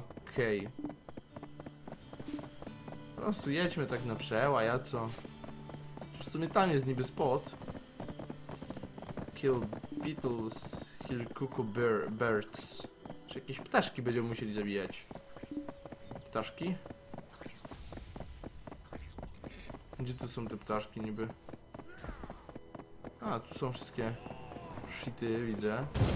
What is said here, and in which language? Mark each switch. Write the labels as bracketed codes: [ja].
[pl] Okej. Po prostu jedźmy tak na przełajaco. W sumie tam jest niby spot. [en] Kill beetles, kill cuckoo birds. [pl] Czy jakieś ptaszki będziemy musieli zabijać? Ptaszki? Gdzie tu są te ptaszki niby? A, tu są wszystkie shity, widzę.